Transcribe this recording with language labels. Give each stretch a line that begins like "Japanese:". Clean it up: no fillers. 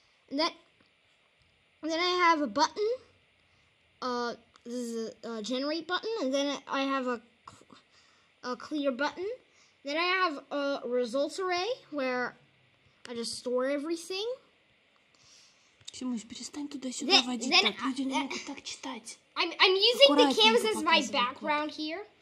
English: And then I have a button. This is a generate button, and then I have a clear button. Then I have a results array where I just store everything.
Russian: Ксюмусь, перестань туда-сюда водить,
English: then,
Russian: так, люди не могут так читать.
English: I'm using the canvas as my background here.